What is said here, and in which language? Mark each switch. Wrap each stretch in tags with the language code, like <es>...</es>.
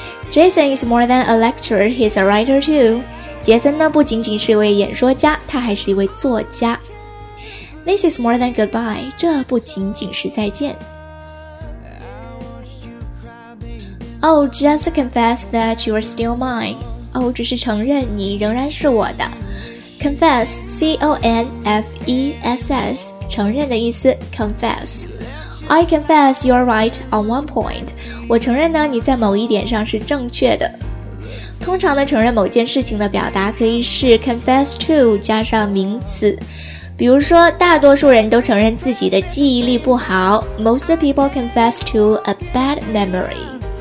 <en>Jason is more than a lecturer, he's a writer too.</en> <zh>杰森呢不仅仅是一位演说家，他还是一位作家。</zh> <en>This is more than goodbye,</en> <zh>这不仅仅是再见。</zh> <en>Oh, just confess that you are still mine.</en> <zh>Oh, 只是承认你仍然是我的。</zh> <en>Confess, C-O-N-F-E-S-S,</en> <zh>承认的意思</zh> <en>confess. I confess you are right on one point.</en> <zh>我承认呢，你在某一点上是正确的。通常的承认某件事情的表达可以是 confess to 加上名词。比如说，大多数人都承认自己的记忆力不好。</zh> <en>Most people confess to a bad memory.</en>